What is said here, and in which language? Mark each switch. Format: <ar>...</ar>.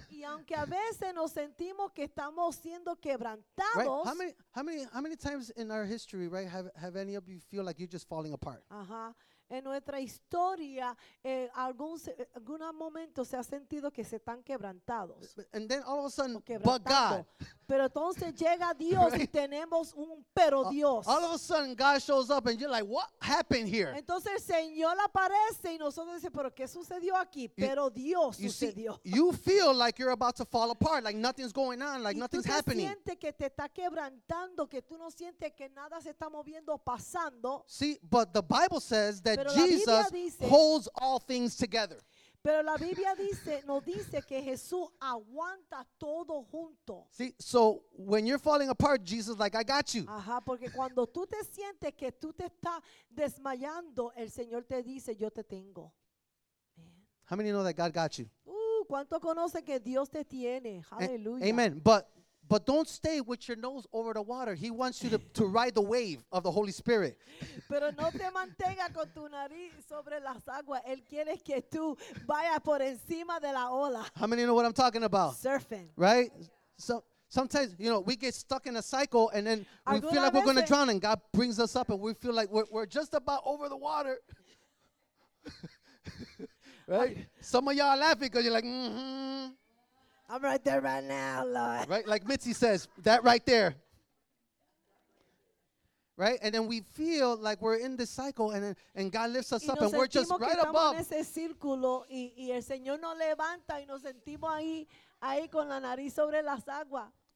<es>Y aunque a veces nos sentimos que estamos siendo quebrantados.</es> <en>Right? How many times in our history, right, have any of you feel like you're just falling apart? Uh-huh.</en> <es>En nuestra historia, algún momento se ha sentido que se están quebrantados.</es> <en>And then all of a sudden, but God.</en> <es>Pero entonces llega Dios right? Y tenemos un pero Dios.</es> <en>All of a sudden, God shows up and you're like, what happened here?</en> <es>Entonces el Señor aparece y nosotros decimos, pero ¿qué sucedió aquí? Pero Dios sucedió.</es> <en>See, you feel like you're about to fall apart, like nothing's going on, like</en> <es>y</es> <en>nothing's happening.</en> <es>Y tú sientes que te está quebrantando, que tú no sientes que nada se está moviendo pasando.</es> <en>See, but the Bible says that</en> <es>pero</es> <en>Jesus</en> <es>dice,</es> <en>holds all things together.</en> <es>Pero la Biblia dice, nos dice que Jesús aguanta todo junto.</es> <en>See, so when you're falling apart, Jesus is like, I got you.</en> <es>Ajá, porque cuando tú te sientes que tú te estás desmayando, el Señor te dice, yo te tengo.</es> <en>How many know that God got you?</en> <es>¿Cuánto conoce que Dios te tiene?</es> <en>Hallelujah. Amen. But don't stay with your nose over the water. He wants you to ride the wave of the Holy Spirit.</en> <es>Pero no te mantenga con tu nariz sobre las aguas. Él quiere que tú vayas por encima de la ola.</es> <en>How many know what I'm talking about? Surfing. Right? So sometimes, you know, we get stuck in a cycle and then we feel like we're going to drown and God brings us up and we feel like we're just about over the water. Right? Some of y'all are laughing because you're like, mm-hmm. I'm right there right now, Lord. Right, like Mitzi says, that right there. Right, and then we feel like we're in this cycle, and God lifts us up, and we're just right above.</en> <es>Y nos sentimos que estamos en ese círculo, y el Señor nos levanta, y nos sentimos ahí con la nariz sobre las aguas.</es>